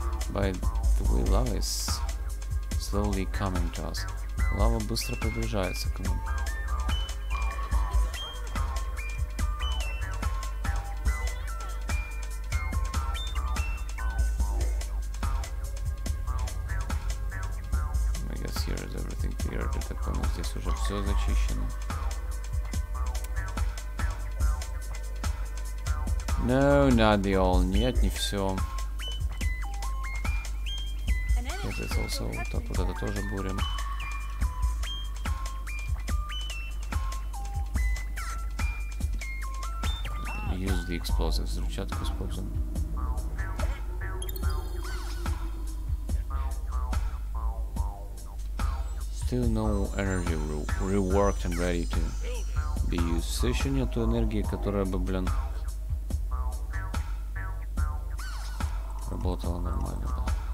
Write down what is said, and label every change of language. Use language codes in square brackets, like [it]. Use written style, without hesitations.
[en] By the lava is slowly coming to us. [ru] Лава быстро приближается к нам. [en] I guess here is everything cleared. [ru] Это как у нас здесь уже все зачищено. [en] No, not the all. [ru] Нет, не все. [en] Also, [ru] вот так вот это тоже бурим. [en] Use the explosives. [ru] Взрывчатку используем. [en] Still no energy reworked and ready to be used. [ru] Все еще нету энергии, которая бы, блин, работала нормально.